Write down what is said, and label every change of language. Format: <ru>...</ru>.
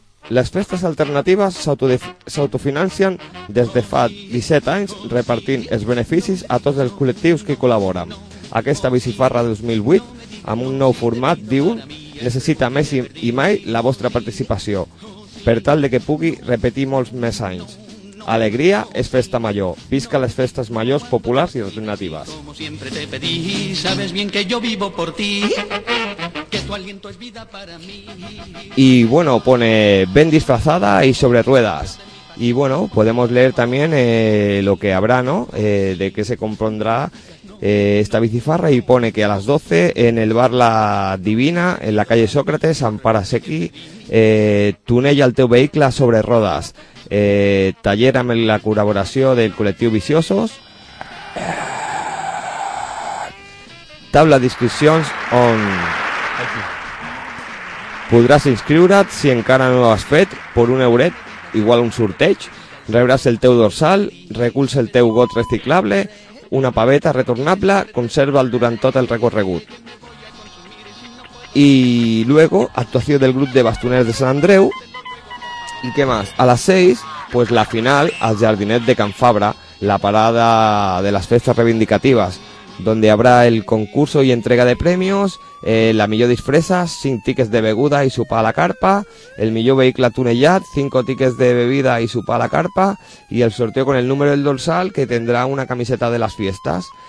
<ca>Les festes alternatives s'autofinancien des de fa 17 anys repartint els beneficis a tots els col·lectius que col·laboren. Aquesta Bicifarra 2008, amb un nou format, diu, necessita més i mai la vostra participació, per tal de que pugui repetir molts més anys. Alegria és Festa Major. Visca les festes majors populars i alternatives.</ca> <es>Como siempre te pedí, sabes bien que yo vivo por ti, que tu aliento es vida para mí. Y bueno, pone ven disfrazada y sobre ruedas. Y bueno, podemos leer también lo que habrá, ¿no? De qué se compondrá esta bicifarra. Y pone que a las 12 en el bar La Divina, en la calle Sócrates, Ampara Sequi,</es> <ca>tunella el teu vehicle sobre rodes. Taller amb la col·laboració del col·lectiu Viciosos. Taula d'inscripcions on podràs inscriure't si encara no ho has fet per un euret, igual un sorteig. Rebràs el teu dorsal, reculls el teu got reciclable, una paveta retornable, conserva'l durant tot el recorregut.</ca> <es>Y luego,</es> <ca>actuació del grup de bastoners de Sant Andreu.</ca> <es>¿Y qué más?</es> <ca>A les 6,</ca> <es>pues la final al Jardinet de Can Fabra, la parada de las festas reivindicativas, donde habrá el concurso y entrega de premios,</es> <ca>la millor disfressa,</ca> <es>5 tickets de beguda y sopar a la carpa,</es> <ca>el millor vehicle tunellat,</ca> <es>5 tickets de bebida y sopar a la carpa, y el sorteo con el número del dorsal, que tendrá una camiseta de las fiestas.</es>